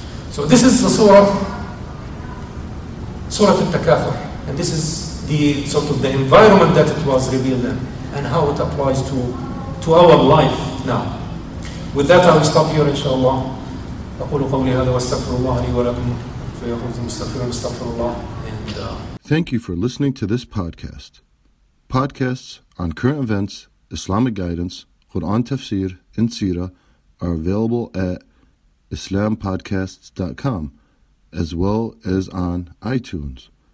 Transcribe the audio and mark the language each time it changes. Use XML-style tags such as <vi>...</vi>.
<en>So this is the Surah Al-Takathur. And this is the sort of the environment that it was revealed in. And how it applies to our life now. With that, I will stop here inshaAllah.</en> <ar>أقول قولي هذا واستغفر الله لي ولكم فيغفر المستغفرون استغفر الله.</ar> <en>Thank you for listening to this podcast. Podcasts on current events, Islamic guidance, Quran tafsir, and seerah are available at islampodcasts.com as well as on iTunes.</en>